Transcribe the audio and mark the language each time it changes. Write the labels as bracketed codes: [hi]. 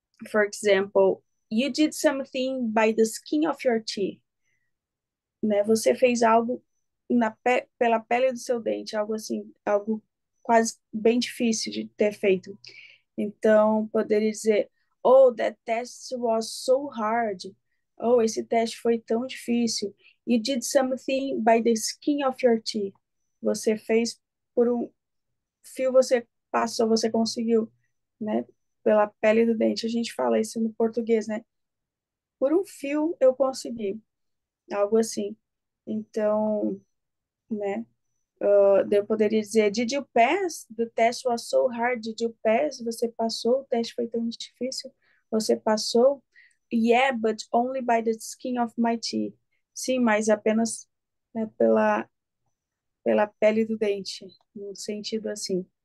[en] For example, you did something by the skin of your teeth. [pt] Né? Você fez algo pela pele do seu dente, algo assim, algo quase bem difícil de ter feito. Então, poderia dizer, [en] oh, that test was so hard. [pt] Oh, esse teste foi tão difícil. [en] You did something by the skin of your teeth. [pt] Você fez por um fio, você passou, você conseguiu, né? Pela pele do dente. A gente fala isso no português, né? Por um fio eu consegui. Algo assim. Então, né? Eu poderia dizer, [en] did you pass? The test was so hard. Did you pass? [pt] Você passou? O teste foi tão difícil? Você passou? [en] Yeah, but only by the skin of my teeth. [pt] Sim, mas apenas, né, pela pele do dente, no sentido assim.